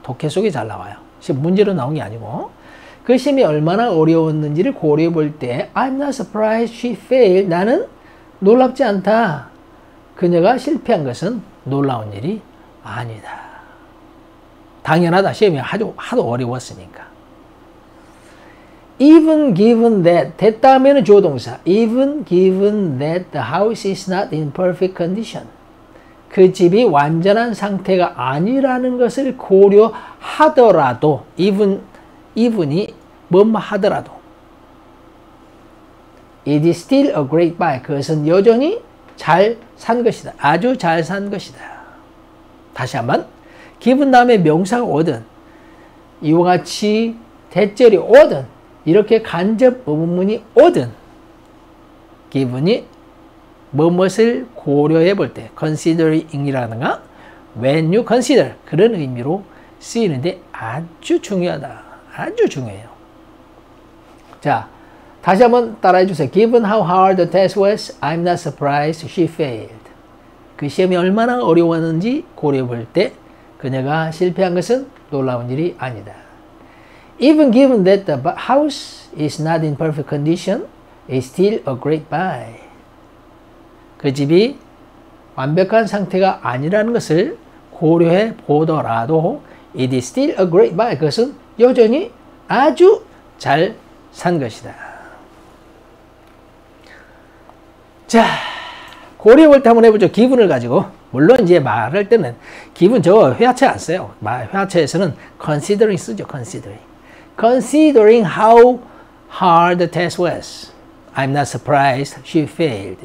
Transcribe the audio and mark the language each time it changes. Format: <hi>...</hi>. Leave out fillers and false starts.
<ko>독해 속에 잘 나와요. 지금 문제로 나온 게 아니고 그 시험이 얼마나 어려웠는지를 고려해 볼 때</ko> <en>I'm not surprised she failed.</en> <ko>나는 놀랍지 않다. 그녀가 실패한 것은 놀라운 일이 아니다. 당연하다. 시험이 하도 어려웠으니까.</ko> <en>Even given that, 됐다면 조동사. Even given that the house is not in perfect condition.</en> <ko>그 집이 완전한 상태가 아니라는 것을 고려하더라도, even이 뭐뭐 하더라도.</ko> <en>It is still a great buy.</en> <ko>그것은 여전히 잘 산 것이다. 아주 잘 산 것이다. 다시 한번. given 다음에 명사가 오든, 이와 같이 대절이 오든, 이렇게 간접 의문문이 오든 기분이 무엇을 고려해 볼 때 considering이라든가 when you consider 그런 의미로 쓰이는데 아주 중요하다. 아주 중요해요. 자, 다시 한번 따라해 주세요.</ko> <en>Given how hard the test was, I'm not surprised she failed.</en> <ko>그 시험이 얼마나 어려웠는지 고려해 볼 때 그녀가 실패한 것은 놀라운 일이 아니다.</ko> <en>Even given that the house is not in perfect condition, it's still a great buy.</en> <ko>그 집이 완벽한 상태가 아니라는 것을 고려해 보더라도</ko> <en>it is still a great buy.</en> <ko>그것은 여전히 아주 잘 산 것이다. 자, 고려해 볼 때 한번 해보죠. 기분을 가지고. 물론 이제 말할 때는 기분 저 회화체 안 써요. 회화체에서는 considering 쓰죠.</ko> <en>Considering how hard the test was, I'm not surprised she failed.</en>